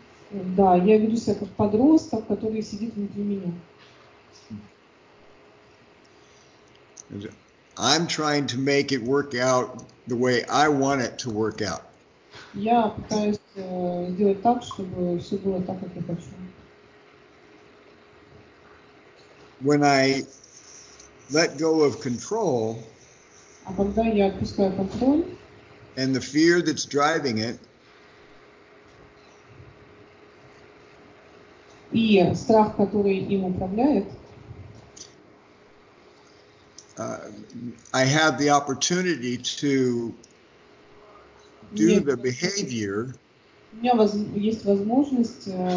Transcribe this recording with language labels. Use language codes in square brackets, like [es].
[ru] Да, я веду себя как подросток, который сидит внутри меня. [en] I'm trying to make it work out the way I want it to work out. [ru] Я пытаюсь сделать так, чтобы все было так, как я хочу. [en] When I let go of control, [ru] а когда я отпускаю контроль, [en] and the fear that's driving it, [ru] и страх, который им управляет, [en] I have the opportunity to do the behavior. [ru] У меня есть возможность